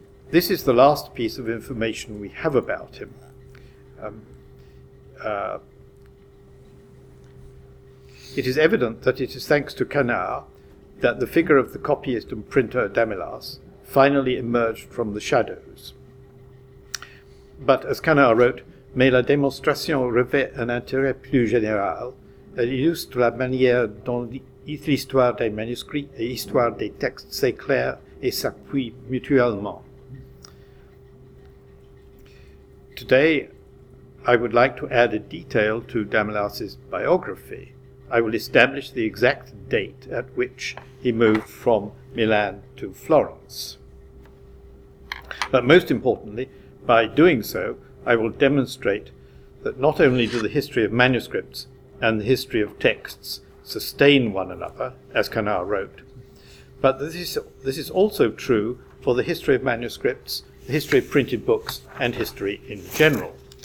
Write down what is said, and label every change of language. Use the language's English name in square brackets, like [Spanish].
[English] This is the last piece of information we have about him. It is evident that it is thanks to Canard that the figure of the copyist and printer Damilas finally emerged from the shadows. But as Canard wrote, [French] mais la démonstration revêt un intérêt plus général, elle illustre la manière dont l'histoire des manuscrits et l'histoire des textes s'éclairent et s'appuient mutuellement. [English] Today, I would like to add a detail to Damilas's biography. I will establish the exact date at which he moved from Milan to Florence. But most importantly, by doing so, I will demonstrate that not only do the history of manuscripts and the history of texts sustain one another, as Canard wrote, but this is also true for the history of manuscripts, the history of printed books, and history in general.